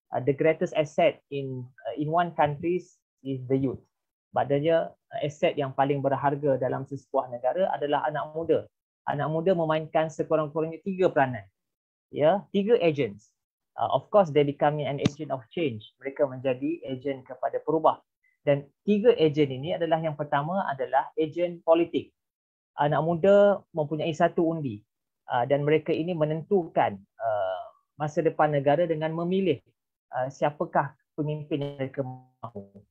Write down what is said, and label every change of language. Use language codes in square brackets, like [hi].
[en] The greatest asset in one country is the youth. [ms] Padanya, aset yang paling berharga dalam sesebuah negara adalah anak muda. Anak muda memainkan sekurang-kurangnya tiga peranan. Ya, tiga agents. [en] Of course, they become an agent of change. [ms] Mereka menjadi agent kepada perubahan. Dan tiga agen ini adalah yang pertama adalah agen politik. Anak muda mempunyai satu undi dan mereka ini menentukan masa depan negara dengan memilih siapakah pemimpin yang mereka mahu.